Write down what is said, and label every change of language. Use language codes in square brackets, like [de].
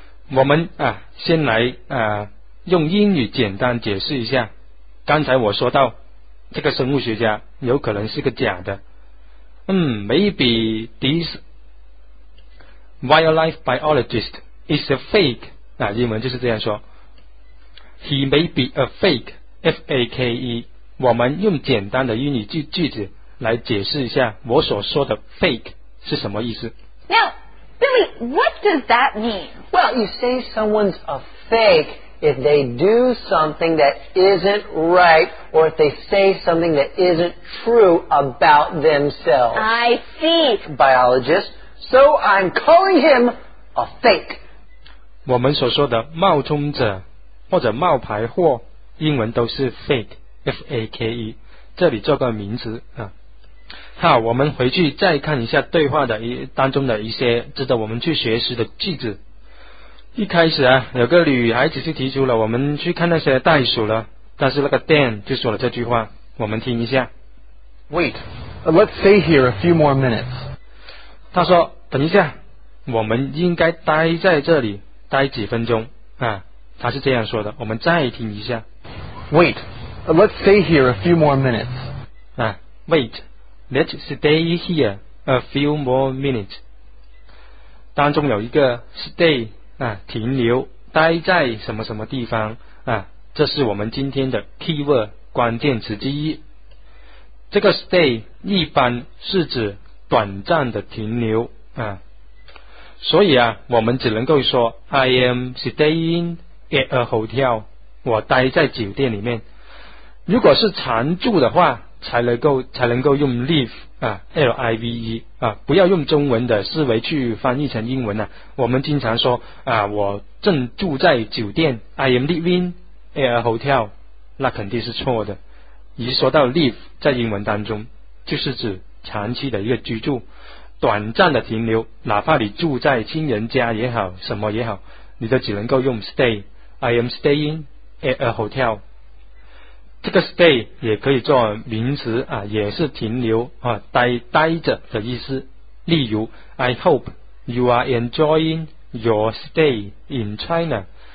[zh] 我们啊，先来啊，用英语简单解释一下。刚才我说到这个生物学家有可能是个假的， [en] maybe this wildlife biologist is a fake。 [zh] 啊，英文就是这样说 [en] ，He may be a fake, F A K E。 [zh] 我们用简单的英语句子来解释一下我所说的 fake 是什么意思。 [en] Now, Billy, what does that mean? Well, you say someone's a fake if they do something that isn't right or if they say something that isn't true about themselves. I see. Biologist, so I'm calling him a fake. [zh] 我们所说的冒充者或者冒牌货，英文都是 fake, F-A-K-E， 这里做个名词啊。好，我们回去再看一下对话的当中的一些值得我们去学习的句子。一开始啊，有个女孩子就提出了我们去看那些袋鼠了，但是那个 Dan 就说了这句话，我们听一下。 [en] Wait, let's stay here a few more minutes. [zh] 他说等一下，我们应该待在这里待几分钟啊，他是这样说的，我们再听一下。 [en] Wait, let's stay here a few more minutes. 啊 ，wait, let's stay here a few more minutes. [zh] 当中有一个 stay 啊，停留，待在什么什么地方啊，这是我们今天的 keyword 关键词之一。这个 stay 一般是指短暂的停留啊。所以啊，我们只能够说 [en] I am staying at a hotel， [zh] 我待在酒店里面。如果是常住的话，才能够用 live 啊 ，L-I-V-E 啊，不要用中文的思维去翻译成英文啊。我们经常说啊，我正住在酒店 ， [en] I am living at a hotel， [zh] 那肯定是错的。一说到 live， 在英文当中就是指长期的一个居住。短暂的停留，哪怕你住在亲人家也好，什么也好，你都只能够用 stay。 [en] I am staying at a hotel。 [zh] 这个 stay 也可以做名词啊，也是停留啊，待着的意思。例如 [en] ，I hope you are enjoying your stay in China。